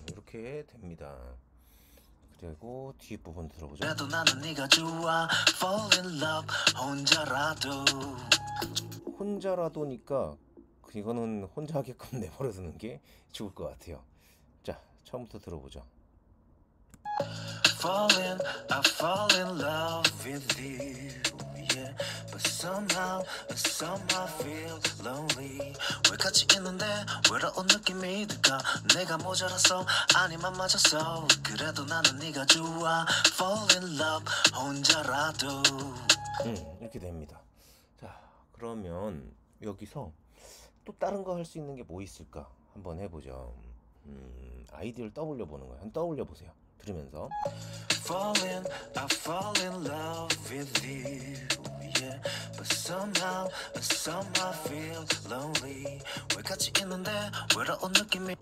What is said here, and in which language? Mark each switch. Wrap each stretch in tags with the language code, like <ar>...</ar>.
<ko>이렇게 됩니다 그리고 뒷부분 들어보죠 그래도 나는 네가 좋아</ko> <en>fall in love</en> <ko>혼자라도 혼자라도니까 이거는 혼자 하게끔 내버려 두는 게 좋을 것 같아요 자 처음부터 들어보죠</ko> <en>Falling, I fall in love with you, yeah. But somehow, somehow feel lonely.</en> <ko>왜 같이 있는데 외로운 느낌이 들까? 내가 모자라서 아니면 맞았어. 그래도 나는 네가 좋아.</ko> <en>Fall in love,</en> <ko>혼자라도. 이렇게 됩니다. 자, 그러면 여기서 또 다른 거 할 수 있는 게 뭐 있을까? 한번 해보죠. 아이디어를 떠올려 보는 거예요. 한번 떠올려 보세요. 들으면서</ko> <en>Falling, I fall in love with you, yeah. But somehow, somehow feel lonely.</en> <ko>왜 같이 있는데 외로운 느낌이</ko>